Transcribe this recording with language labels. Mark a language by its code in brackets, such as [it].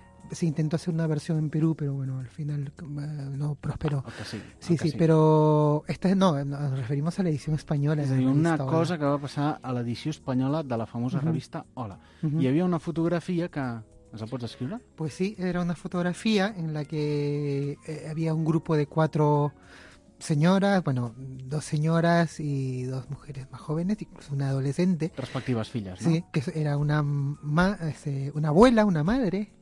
[es] se intentó hacer una versión en Perú, pero bueno, al final no prosperó. Sí, pero esta no, nos referimos a la edición española. Es decir, [ca] una cosa que va passar a la edició espanyola de la famosa revista Hola. [es] Y había una fotografía que... ¿Nos la puedes escribir? Pues sí, era una fotografía en la que había un grupo de cuatro señoras, bueno, dos señoras y dos mujeres más jóvenes, incluso una adolescente. Respectivas fillas, ¿no? Sí, que era una abuela, una madre...